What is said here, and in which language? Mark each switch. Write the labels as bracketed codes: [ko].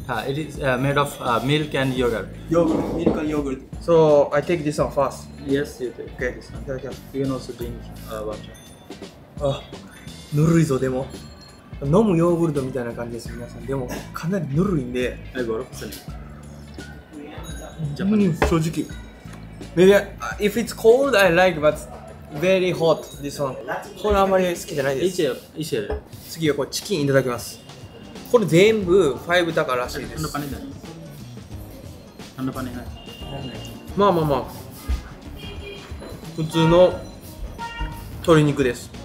[en] It is made of milk and yogurt. Yogurt, milk and yogurt. So I take this one first. Yes, you take. Okay, this one. You can also drink water. [ja] Ah, ぬるいぞでも。飲むヨーグルトみたいな感じです皆さん。でもかなりぬるいんで。 [en] I got it. Japanese. [ja] 正直。 [en] Maybe if it's cold, I like, but very hot. This one. [ja] これあんまり好きじゃないです。一緒。次はこうチキンいただきます。これ全部5タカらしいです。何のパネだ。何のパネだ。まあまあまあ。普通の鶏肉です。